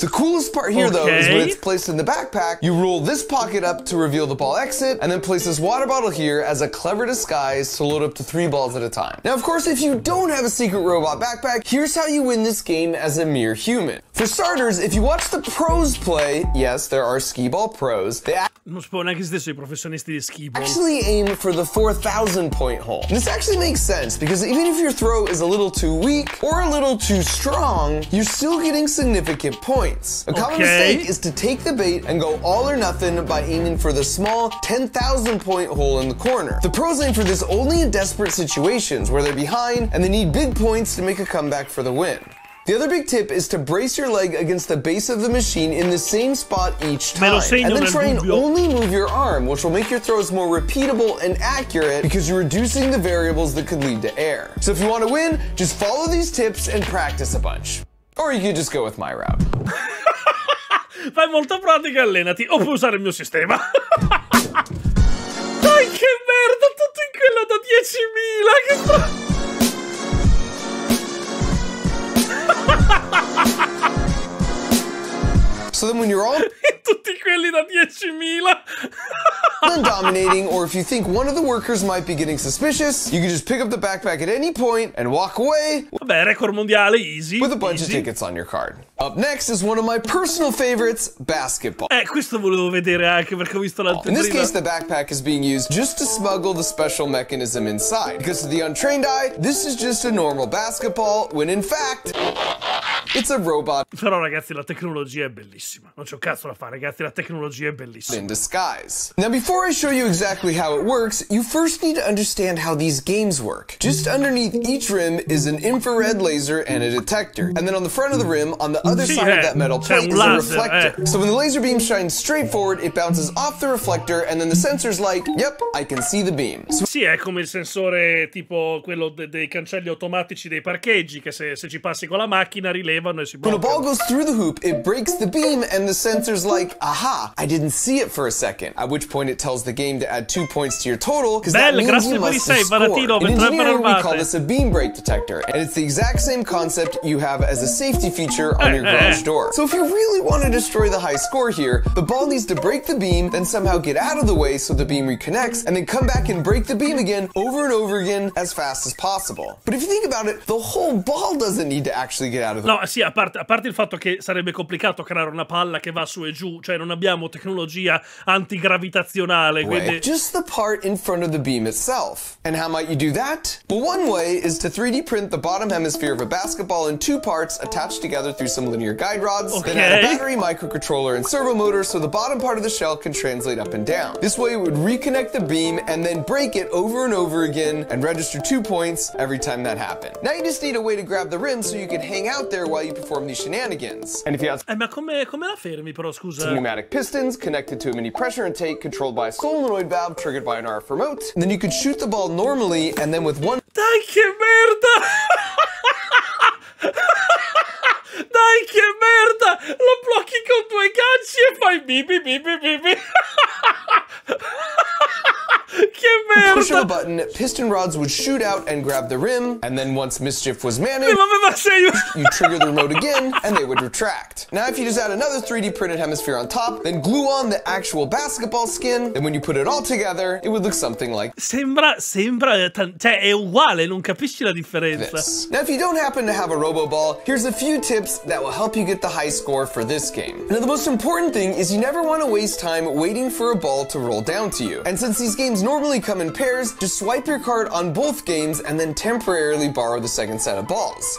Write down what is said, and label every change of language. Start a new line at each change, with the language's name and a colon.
English: The coolest part here, though, is when it's placed in the backpack, you roll this pocket up to reveal the ball exit, and then place this water bottle here as a clever disguise to load up to three balls at a time. Now, of course, if you don't have a secret robot backpack, here's how you win this game as a mere human. For starters, if you watch the pros play, yes, there are skee ball pros, they
Italian: Non si può neanche esistere i professionisti di skee ball.
English: Actually aim for the 4,000 point hole. This actually makes sense because even if your throw is a little too weak or a little too strong, you're still getting significant points. A common mistake is to take the bait and go all or nothing by aiming for the small 10,000 point hole in the corner. The pros aim for this only in desperate situations where they're behind and they need big points to make a comeback for the win. The other big tip is to brace your leg against the base of the machine in the same spot each time. And then try and only move your arm, which will make your throws more repeatable and accurate because you're reducing the variables that could lead to error. So if you want to win, just follow these tips and practice a bunch. Or you could just go with my route.
Italian: Fai molta pratica, allenati, o puoi usare il mio sistema. Dai, che merda, tutto in quello da 10.000, che sto...
English: So them when you're old?
Italian: Tutti quelli da 10.000.
English: When dominating, or if you think one of the workers might be getting suspicious, you can just pick up the backpack at any point and walk away.
Italian: Vabbè, record mondiale, easy.
English: With a bunch of tickets on your card. Up next is one of my personal favorites, basketball.
Italian: Questo volevo vedere anche perché ho visto l'altro.
English: In this case, the backpack is being used just to smuggle the special mechanism inside. Because to the untrained eye, this is just a normal basketball, when in fact, it's a robot.
Italian: Però ragazzi, la tecnologia è bellissima. Non c'ho cazzo da fare, ragazzi, la tecnologia è bellissima.
English: In disguise. Now, before I show you exactly how it works, you first need to understand how these games work. Just underneath each rim is an infrared laser and a detector. And then on the front of the rim, on the other side of that metal plate, is laser, a reflector. So when the laser beam shines straight forward, it bounces off the reflector, and then the sensor's like, yep, I can see the beam.
Italian: Sì, è come il sensore tipo quello dei cancelli automatici dei parcheggi, che se ci passi con la macchina rilevano e si bloccano.
English: When a ball goes through the hoop, it breaks the beam, and the sensor's like, aha, I didn't see it for a second. At which point it tells the game to add 2 points to your total, because that means you must have scored. In engineering, we call this a beam break detector, and it's the exact same concept you have as a safety feature on your garage door. So if you really want to destroy the high score here, the ball needs to break the beam, then somehow get out of the way so the beam reconnects, and then come back and break the beam again over and over again as fast as possible. But if you think about it, the whole ball doesn't need to actually get out of the way.
Italian: No, sì, a parte il fatto che sarebbe complicato creare una palla che va su e giù, cioè non abbiamo tecnologia antigravitazionale, quindi...
English: Right. Just the part in front of the beam itself. And how might you do that? Well, one way is to 3D print the bottom hemisphere of a basketball in two parts attached together through some linear guide rods, okay. Then add a battery, microcontroller, and servo motor so the bottom part of the shell can translate up and down. This way it would reconnect the beam and then break it over and over again and register 2 points every time that happened. Now you just need a way to grab the rim so you can hang out there while you perform these shenanigans. And if you ask,
Italian: ma come la fermi però, scusa?
English: Some pneumatic pistons connected to a mini pressure intake controlled by a solenoid valve triggered by an RF remote. And then you could shoot the ball normally and then with one...
Italian: Dai che merda! Dai che merda! Lo blocchi con due gancci e fai bibi bibi bibi! Che merda!
English: Push of a button, piston rods would shoot out and grab the rim, and then once mischief was managed, you trigger the remote again, and they would retract. Now if you just add another 3D printed hemisphere on top, then glue on the actual basketball skin, then when you put it all together, it would look something like...
Italian: Sembra, cioè è uguale, non capisci la differenza.
English: This. Now if you don't happen to have a robo ball, here's a few tips that will help you get the high score for this game. Now the most important thing is you never want to waste time waiting for a ball to roll down to you. And since these games normally come in pairs, just swipe your card on both games and then temporarily borrow the second set of balls.